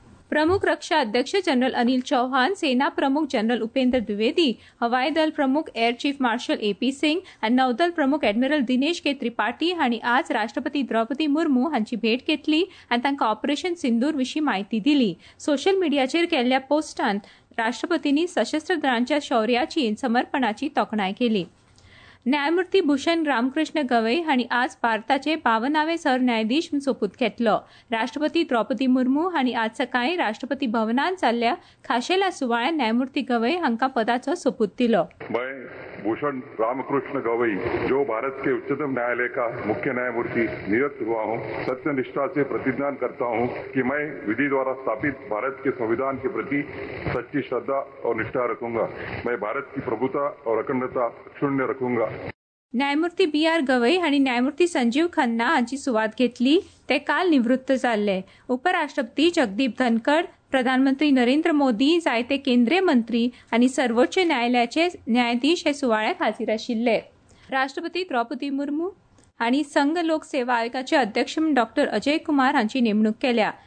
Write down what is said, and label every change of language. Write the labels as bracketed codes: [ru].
[kok] प्रमुख रक्षा अध्यक्ष जनरल अनिल चौहान, सेना प्रमुख जनरल उपेंद्र द्विवेदी, हवाई दल प्रमुख एअर चीफ मार्शल एपी सिंग आनी नौदल प्रमुख एडमिरल दिनेश के त्रिपाठी हांणी आज राष्ट्रपती द्रौपदी मुर्मू हांची भेट घेतली आनी तांकां ऑपरेशन सिंदूर विशीं माहिती दिली. सोशल मिडियाचेर केल्ल्या पोस्टांत राष्ट्रपतींनी सशस्त्र दळांच्या शौर्याची आनी समर्पणाची तोखणाय केली. न्यायमूर्ती भूषण रामकृष्ण गवई हांणी आज भारताचे 52वे सरन्यायाधीश म्हण सोपूत घेतलो. राष्ट्रपती द्रौपदी मुर्मू हांणी आज सकाळी राष्ट्रपती भवनांत जाल्ल्या खाशेल्या सुवाळ्यांत न्यायमूर्ती गवई हांकां पदाचो सोपूत दिलो. [hi] भूषण रामकृष्ण गवई जो भारत के उच्चतम न्यायालय का मुख्य न्यायमूर्ति नियुक्त हुआ हूँ, सत्य निष्ठा से प्रतिज्ञान करता हूँ कि मैं विधि द्वारा स्थापित भारत के संविधान के प्रति सच्ची श्रद्धा और निष्ठा रखूंगा. मैं भारत की प्रभुता और अखंडता शून्य रखूंगा. [kok] न्यायमूर्ती बी आर गवई हांणी न्यायमूर्ती संजीव खन्ना हांची सुवात घेतली. ते काल निवृत्त जाल्ले. उपराष्ट्रपती जगदीप धनखड, प्रधानमंत्री नरेंद्र मोदी, जायते केंद्रीय मंत्री आनी सर्वोच्च न्यायालयाचे न्यायाधीश हे सुवाळ्याक हाजीर आशिल्ले. राष्ट्रपती द्रौपदी मुर्मू हांणी संघ लोक सेवा आयोगाचे अध्यक्ष डॉ अजय कुमार हांची नेमणूक केल्या.